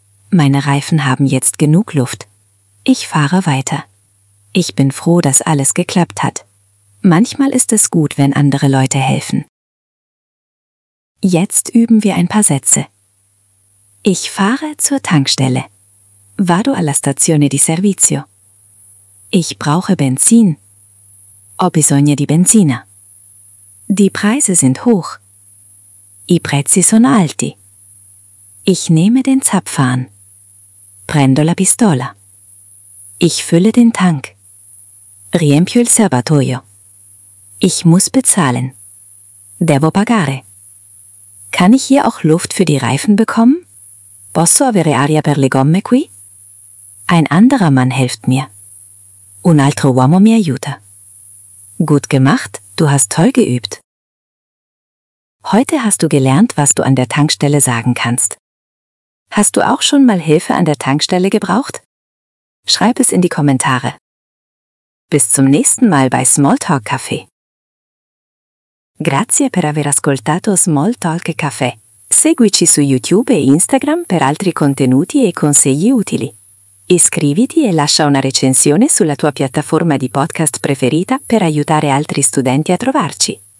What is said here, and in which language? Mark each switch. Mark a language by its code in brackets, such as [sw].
[de] Meine Reifen haben jetzt genug Luft. Ich fahre weiter. Ich bin froh, dass alles geklappt hat. Manchmal ist es gut, wenn andere Leute helfen. Jetzt üben wir ein paar Sätze. Ich fahre zur Tankstelle. [it] Vado alla stazione di servizio. [de] Ich brauche Benzin. [it] Ho bisogno di benzina. [de] Die Preise sind hoch. [it] I prezzi sono alti. [de] Ich nehme den Zapfhahn. [it] Prendo la pistola. [de] Ich fülle den Tank. [it] Riempio il serbatoio. [de] Ich muss bezahlen. [it] Devo pagare. [de] Kann ich hier auch Luft für die Reifen bekommen? [it] Posso avere aria per le gomme qui? [de] Ein anderer Mann hilft mir. [it] Un altro uomo mi aiuta. [de] Gut gemacht, du hast toll geübt. Heute hast du gelernt, was du an der Tankstelle sagen kannst. Hast du auch schon mal Hilfe an der Tankstelle gebraucht? Schreib es in die Kommentare. Bis zum nächsten Mal bei Smalltalk Café. [it] Grazie per aver ascoltato Smalltalk Café. Seguici su YouTube e Instagram per altri contenuti e consigli utili. Iscriviti e lascia una recensione sulla tua piattaforma di podcast preferita per aiutare altri studenti a trovarci.